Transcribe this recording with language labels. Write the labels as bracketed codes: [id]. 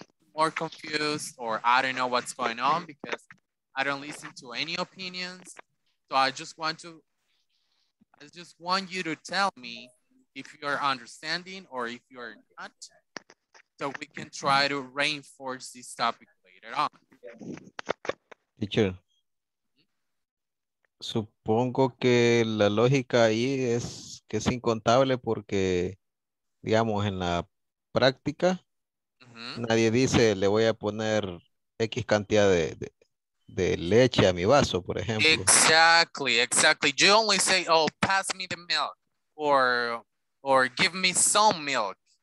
[en] I'm more confused or I don't know what's going on because I don't listen to any opinions. So I just want to, I just want you to tell me if you are understanding or if you are not, so we can try to reinforce this topic later on. [es] Teacher, supongo que la lógica ahí es que es incontable porque, digamos, en la práctica, nadie dice, le voy a poner X cantidad de leche a mi vaso, por ejemplo. [en] Exactly, exactly. You only say, oh, pass me the milk or give me some milk.